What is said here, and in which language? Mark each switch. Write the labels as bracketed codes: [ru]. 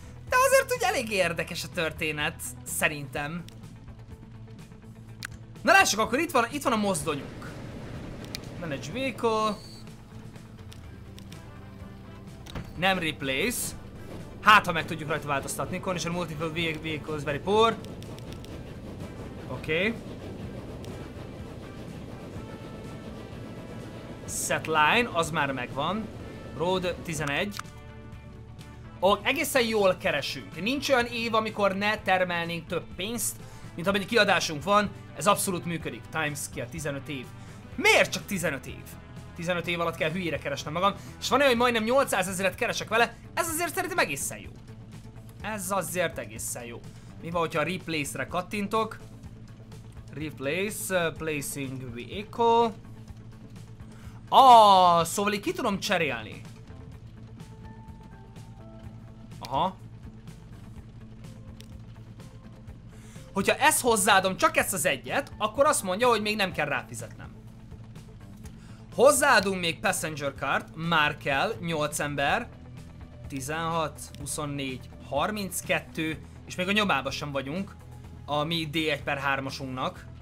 [hu] De azért úgy elég érdekes a történet, szerintem. Na lássuk, akkor itt van a mozdonyunk. [en] Manage vehicle. [hu] Nem replace. Hát, ha meg tudjuk rajta változtatni. [en] Condition multiple vehicles very poor. Oké. Okay. Set line, [hu] az már megvan. [en] Road 11. [hu] Oh, egészen jól keresünk. Nincs olyan év, amikor ne termelnénk több pénzt, mint amennyi kiadásunk van. Ez abszolút működik. Time scale 15 év. Miért csak 15 év? 15 év alatt kell hülyére keresnem magam. És van olyan, hogy majdnem 800 ezeret keresek vele. Ez azért szerintem egészen jó. Ez azért egészen jó. Mi van, hogyha replace-re kattintok? [en] Replace, placing vehicle. [hu] Szóval így ki tudom cserélni. Aha. Hogyha ezt hozzáadom, csak ezt az egyet, akkor azt mondja, hogy még nem kell ráfizetnem. Hozzáadunk még passenger cart, már kell, 8 ember, 16, 24, 32, és még a nyomában sem vagyunk a mi D1/3-asunknak.